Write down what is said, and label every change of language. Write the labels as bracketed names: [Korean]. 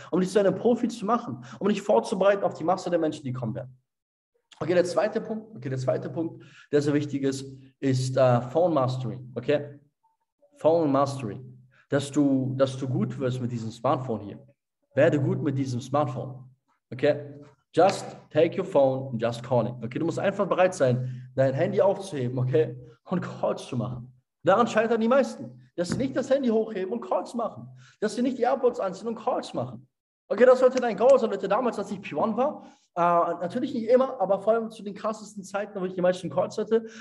[German] Um dich zu einem Profi zu machen, um dich vorzubereiten auf die Masse der Menschen, die kommen werden. Okay, der zweite Punkt, der so wichtig ist, ist Phone Mastery, okay? Phone Mastery, dass du gut wirst mit diesem Smartphone hier. Werde gut mit diesem Smartphone, okay? [English] Just take your phone and just call it. [German] Okay, du musst einfach bereit sein, dein Handy aufzuheben, okay, und Calls zu machen. Daran scheitern die meisten, dass sie nicht das Handy hochheben und Calls machen. Dass sie nicht die AirPods anziehen und Calls machen. Okay, das sollte dein Goal sein, Leute, damals, als ich P1 war. Natürlich nicht immer, aber vor allem zu den krassesten Zeiten, wo ich die meisten Calls hatte.